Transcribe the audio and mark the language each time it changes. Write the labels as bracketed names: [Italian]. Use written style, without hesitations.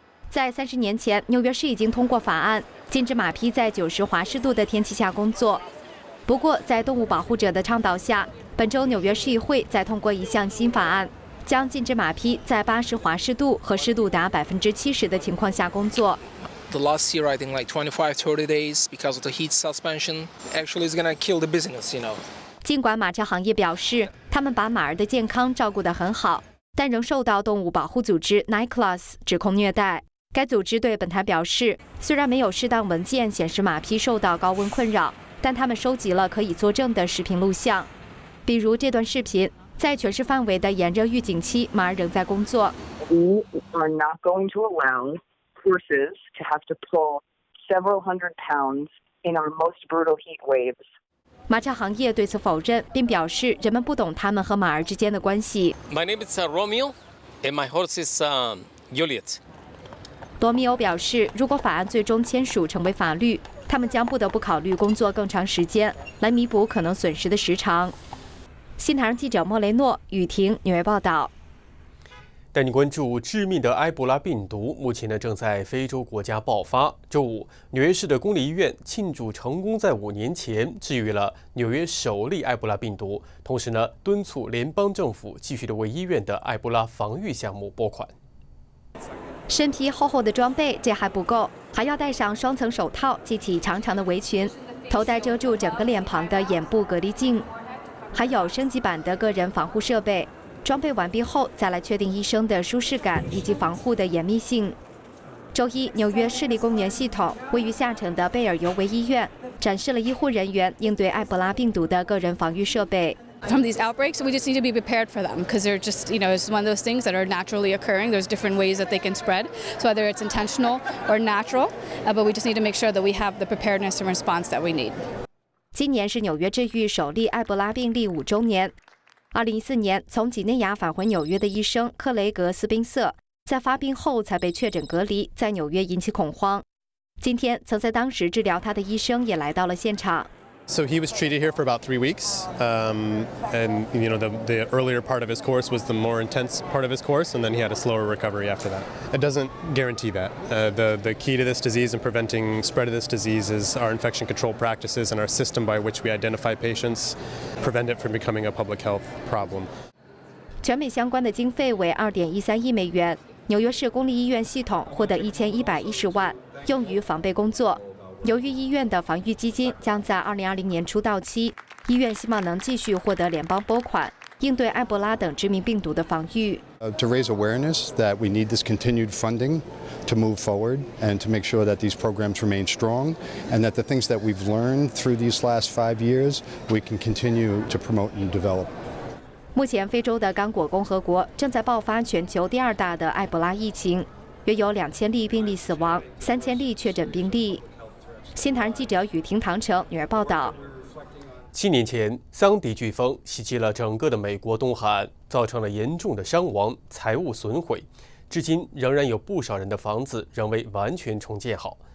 [Chinese] 在30年前，纽约市已经通过法案禁止马匹在90华氏度的天气下工作。不过在动物保护者的倡导下，本周纽约市议会再通过一项新法案，将禁止马匹在80华氏度和湿度达70%的情况下工作。 [English] The last year, I think like 25, 30 days because of the heat suspension actually is going to kill the business, you know. [Chinese] 尽管马车行业表示他们把马儿的健康照顾得很好，但仍受到动物保护组织 Niklas 指控虐待。该组织对本台表示，虽然没有适当文件显示马匹受到高温困扰，但他们收集了可以作证的视频录像，比如这段视频，在全市范围的炎热预警期，马儿仍在工作。 [English] We are not going to allow horses to have to pull several hundred pounds in our most brutal heat waves. [Chinese] 马车行业对此否认，并表示人们不懂他们和马儿之间的关系。 [English] My name is Romeo, and my horse is Juliet. [Chinese] 罗密欧表示，如果法案最终签署成为法律，他们将不得不考虑工作更长时间，来弥补可能损失的时长。新唐人记者莫雷诺、雨婷，纽约报道。带你关注致命的埃博拉病毒，目前呢正在非洲国家爆发。周五，纽约市的公立医院庆祝成功在五年前治愈了纽约首例埃博拉病毒，同时呢敦促联邦政府继续的为医院的埃博拉防御项目拨款。身披厚厚的装备，这还不够，还要戴上双层手套，系起长长的围裙，头戴遮住整个脸庞的眼部隔离镜，还有升级版的个人防护设备。装备完毕后，再来确定医生的舒适感以及防护的严密性。周一，纽约市立公园系统位于下城的贝尔尤维医院展示了医护人员应对埃博拉病毒的个人防御设备。 [English] From these outbreaks, we just need to be prepared for them because they're just, you know, it's one of those things that are naturally occurring. There's different ways that they can spread, so whether it's intentional or natural, but we just need to make sure that we have the preparedness and response that we need. [Chinese] 今年是纽约治愈首例埃博拉病例五周年。 2014年，从几内亚返回纽约的医生克雷格斯宾瑟，在发病后才被确诊隔离，在纽约引起恐慌。今天，曾在当时治疗他的医生也来到了现场。 [English] So he was treated here for about 3 weeks, and you know the earlier part of his course was the more intense part of his course, and then he had a slower recovery after that. It doesn't guarantee that. The key to this disease and preventing spread of this disease is our infection control practices and our system by which we identify patients, prevent it from becoming a public health problem. [Chinese] 全美相关的经费为2.13亿美元，纽约市公立医院系统获得1110万，用于防备工作。由于医院的防御基金将在2020年初到期，医院希望能继续获得联邦拨款，应对埃博拉等致命病毒的防御。 [English] To raise awareness that we need this continued funding to move forward and to make sure that these programs remain strong and that the things that we've learned through these last 5 years we can continue to promote and develop. [Chinese] 目前，非洲的刚果共和国正在爆发全球第二大的埃博拉疫情，约有2000例病例死亡，3000例确诊病例。新唐人记者雨婷、唐城，女儿报道。 7年前，桑迪飓风袭击了整个的美国东海岸，造成了严重的伤亡、财务损毁，至今仍然有不少人的房子仍未完全重建好。